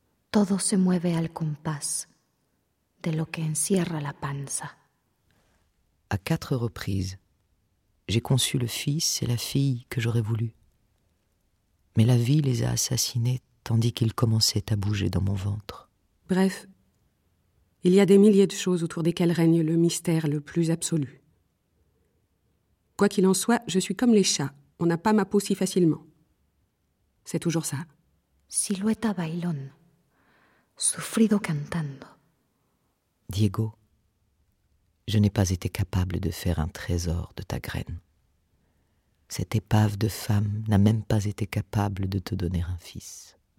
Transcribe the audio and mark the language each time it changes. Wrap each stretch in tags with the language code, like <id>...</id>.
<es>Todo se mueve al compás de lo que encierra la panza.</es> <fr>À 4 reprises, j'ai conçu le fils et la fille que j'aurais voulu. Mais la vie les a assassinés tandis qu'ils commençaient à bouger dans mon ventre. Bref, il y a des milliers de choses autour desquelles règne le mystère le plus absolu. Quoi qu'il en soit, je suis comme les chats. On n'a pas ma peau si facilement. C'est toujours ça.</fr> <es>Silueta bailón, sufrido cantando.</es> <fr>Diego, je n'ai pas été capable de faire un trésor de ta graine. Cette épave de femme n'a même pas été capable de te donner un fils.</fr>